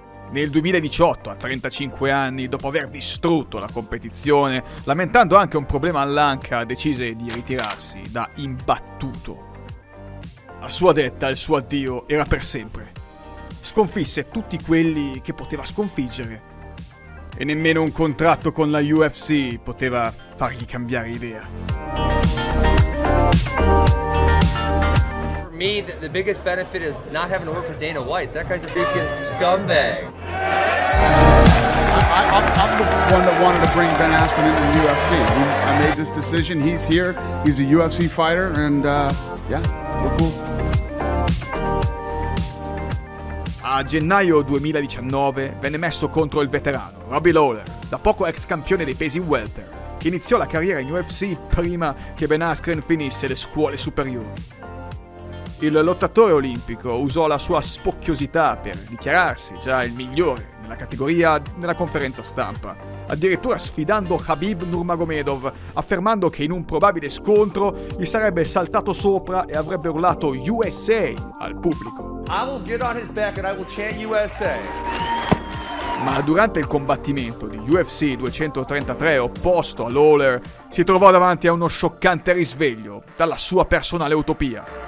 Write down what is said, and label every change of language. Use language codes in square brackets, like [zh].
[it] Nel 2018, a 35 anni, dopo aver distrutto la competizione, lamentando anche un problema all'anca, decise di ritirarsi da imbattuto. A sua detta, il suo addio era per sempre. Sconfisse tutti quelli che poteva sconfiggere. E nemmeno un contratto con la UFC poteva fargli cambiare idea. Per me, [en] the biggest benefit is not having to work for Dana White. That guy's a freaking scumbag. I'm the one that wanted to bring Ben Askren into the UFC. I made this decision. He's here. He's a UFC fighter. And yeah, we're cool. [it] A gennaio 2019 venne messo contro il veterano Robbie Lawler, da poco ex campione dei pesi welter, che iniziò la carriera in UFC prima che Ben Askren finisse le scuole superiori. Il lottatore olimpico usò la sua spocchiosità per dichiararsi già il migliore nella categoria nella conferenza stampa, addirittura sfidando Khabib Nurmagomedov, affermando che in un probabile scontro gli sarebbe saltato sopra e avrebbe urlato USA al pubblico. [en] I will get on his back and I will chant USA. [it] Ma durante il combattimento di UFC 233 opposto a Lawler, si trovò davanti a uno scioccante risveglio dalla sua personale utopia.